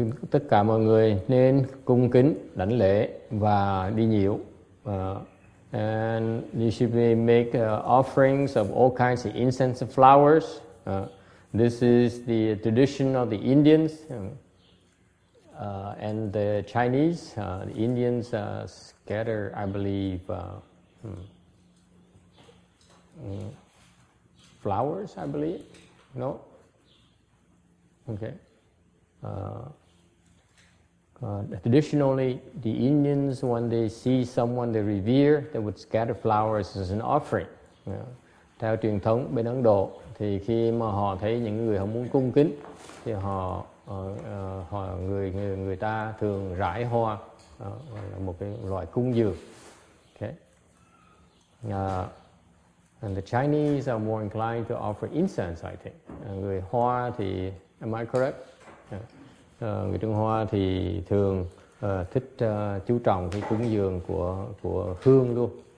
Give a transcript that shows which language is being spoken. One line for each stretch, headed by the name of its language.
Vietnamese: Tất cả mọi người nên cung kính, đảnh lễ và đi nhiễu.
English: And you should be make offerings of all kinds of incense and flowers. This is the tradition of the Indians and the Chinese. The Indians scatter, I believe, flowers, I believe. No? Okay. Traditionally, the Indians, when they see someone they revere, they would scatter flowers as an offering. Yeah.
Vietnamese: Theo truyền thống bên Ấn Độ, thì khi mà họ thấy những người họ muốn cung kính, thì họ, họ người ta thường rải hoa, một cái loại cung dược.
English: Okay. And the Chinese are more inclined to offer incense, I think.
Vietnamese: Người Hoa thì,
English: am I correct? Yeah.
Vietnamese: Người Trung Hoa thì thường thích chú trọng cái cúng dường của hương luôn.